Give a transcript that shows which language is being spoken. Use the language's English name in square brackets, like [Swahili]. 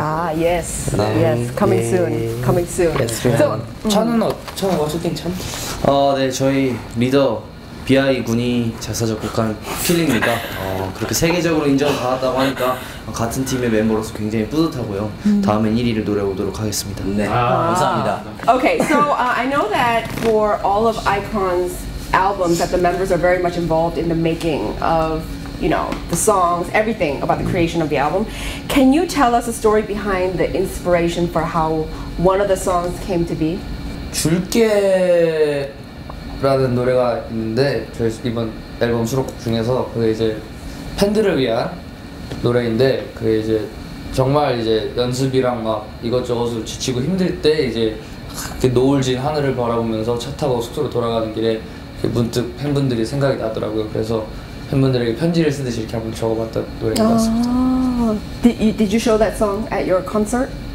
[English] 아, yes. Yes, coming soon. Coming soon. Yes, so, [Korean] 찬은 찬은 워스팅 찬? 네, 저희 리더 BI 군이 작사 작곡한 필링입니다. 그렇게 세계적으로 인정을 받았다고 하니까 같은 팀의 멤버로서 굉장히 뿌듯하고요. 다음엔 1위를 노려보도록 하겠습니다. 네, 감사합니다. [English] Okay, so I know that for all of iKON's albums that the members are very much involved in the making of, you know, the songs, everything about the creation of the album. Can you tell us a story behind the inspiration for how one of the songs came to be? [Korean] 줄게라는 노래가 있는데 저희 이번 앨범 수록곡 중에서 그게 이제 팬들을 위한 노래인데 그게 이제 정말 이제 연습이랑 막 이것저것으로 지치고 힘들 때 이제 노을진 하늘을 바라보면서 차 타고 숙소로 돌아가는 길에 문득 팬분들이 생각이 나더라고요. 그래서 팬분들에게 편지를 쓰듯이 이렇게 한번 적어봤던 노래인 것 같습니다. [English] Did you show that song at your concert?